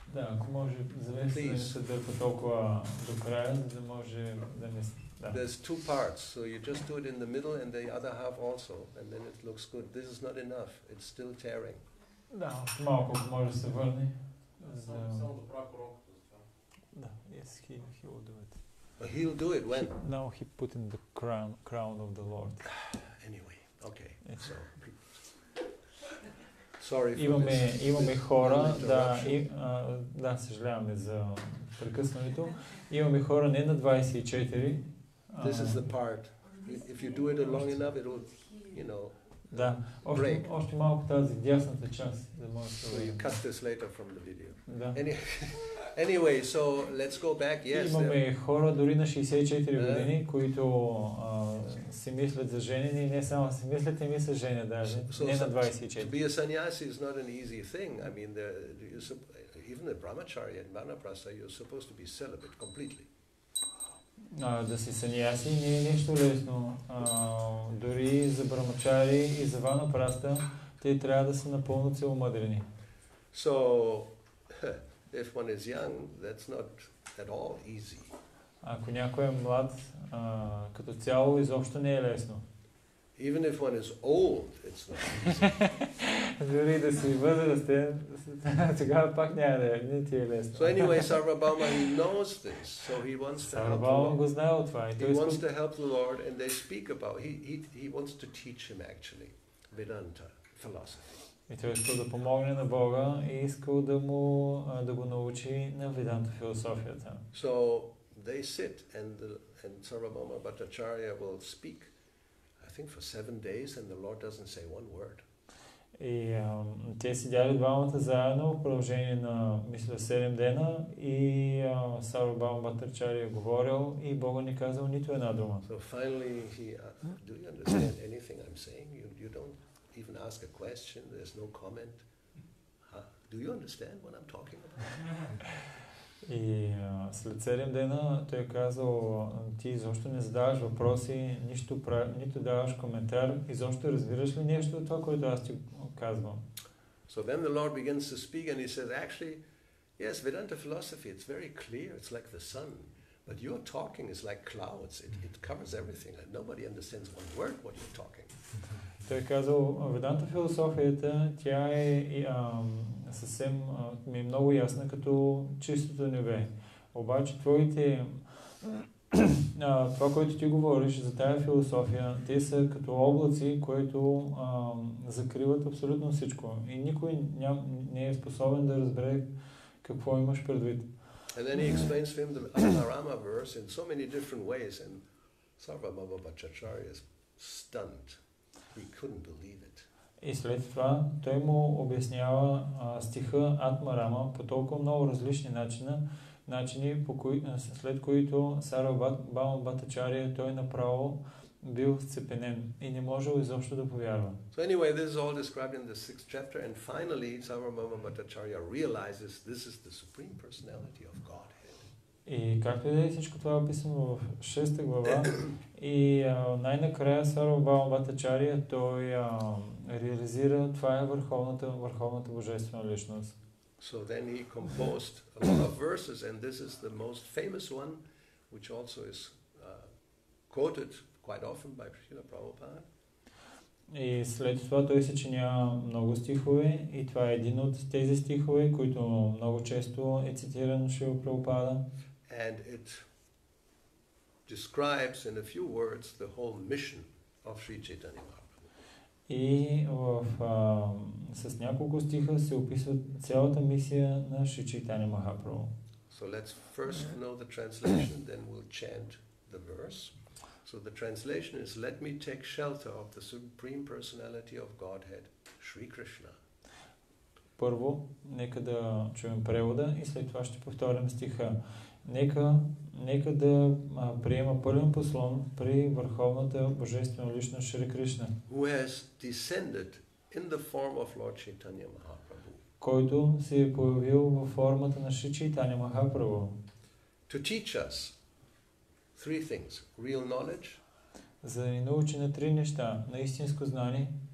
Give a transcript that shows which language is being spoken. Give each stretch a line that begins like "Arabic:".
Bulgarian: Да, ако може завеси да се дърпа толкова до края, да може да не.
English: There's two parts, so you just do it in the middle and the other half also, and then it looks good. This is not enough. It's still tearing.
Bulgarian: Да, малко може да се върне. Само до прокурорката.
English: Да, yes, he will do it. But he'll do it when? Now he put in the crown of the Lord. Anyway, okay. So, sorry for
Bulgarian: имаме,
English: this.
Bulgarian: Имаме хора, да, да съжаляваме за прекъсването. Имаме хора не на 24.
English: This is the part. If you do it long enough, it will, you know, да, break.
Bulgarian: Още малко тази дясната част. Да може
English: so you cut this later from the video.
Bulgarian: Да.
English: Anyway, so let's go back. Yes.
Bulgarian: Имаме хора дори на 64 години, които се мислят за женени, не само се мислят, ами са жени даже. Не на 24.
English: To be a sannyasi is not an easy thing. I mean, even the brahmacharya and vanaprastha, you're supposed to be celibate completely.
Bulgarian: Да си сан'яси не е нещо лесно. Дори за брамачари и за ванапраста, те трябва да са напълно целомъдрени.
English: So if one is young, that's not at all easy.
Bulgarian: Ако някой е млад, като цяло изобщо не е лесно.
English: Even if one is old, it's not easy.
Bulgarian: Дори да си възрастен, тогава пак няма да е, не ти е лесно.
English: So anyway, Sarvabhauma, he knows this, so he wants to help the Lord.
Bulgarian: Го знае това.
English: He wants to help the Lord, and they speak about, he wants to teach him, actually, Vedanta, philosophy.
Bulgarian: И той искал да помогне на Бога и искал да му, да го научи на Веданта философията.
English: So they sit, and Sarvabhauma Bhattacharya will speak, I think for 7 days, and the Lord doesn't say one word.
Bulgarian: И те сидяли двамата заедно в продължение на, мисля, 7 дена и Сарвабхаума Бхаттачарья говорил и Бога не казал нито една дума.
English: So finally he do you understand anything I'm saying? You don't even ask a question, there's no comment. Huh? Do you understand what I'm talking about?
Bulgarian: И след 7 дена той казал, ти изобщо не задаваш въпроси, нито даваш коментар, изобщо разбираш ли нещо от това, което аз ти казвам.
English: So then the Lord begins to speak and he says, actually, yes, Vedanta philosophy, it's very clear, it's like the sun, but your talking is like clouds, it covers everything, and nobody understands one word what you're talking.
Bulgarian: Той казал, Веданта философията, тя е съвсем ми е много ясна като чистото небе. Обаче твоите, това, което ти говориш за тая философия, те са като облаци, които закриват абсолютно всичко. И никой не е способен да разбере какво имаш предвид.
English: И then he explains to him the Anarama verse in so many different ways, and Sarvabhauma Bhattacharya is stunned. He couldn't believe it.
Bulgarian: И след това той му обяснява стиха Атмарама по толкова много различни начини, след които Сарвабхаума Бхаттачарья той направо бил вцепенен и не можел изобщо да повярва.
English: So anyway, this is all described in the 6th chapter, and finally Sarvabhauma Bhattacharya realizes this is the supreme personality of God.
Bulgarian: И както е всичко това описано в 6 глава и най-накрая Сарвабхаума Бхаттачарья той реализира това е върховната божествена личност.
English: So then he composed a lot of verses, and this is the most famous one, which also is quoted quite often by Srila Prabhupada.
Bulgarian: И след това той съчинява много стихове и това е един от тези стихове, които много често е цитиран от Шрила Прабхупада.
English: And it describes in a few words the whole mission of Sri Chaitanya Mahaprabhu.
Bulgarian: И в с няколко стиха се описва цялата мисия на Шри Чайтанья Махапрабху.
English: So let's first know the translation, then we'll chant the verse. So the translation is, let me take shelter of the Supreme Personality of Godhead, Sri Krishna.
Bulgarian: Първо, нека да чуем превода и след това ще повторим стиха. Нека да приема пълен послон при върховната божествена личност Шри Кришна.
English: Who has descended in the form of Lord Chaitanya Mahaprabhu.
Bulgarian: Който се е появил във формата на Шри Чайтанья Махапрабху.
English: To teach us three things: real knowledge.
Bulgarian: За да ни научи на три неща: на истинско знание,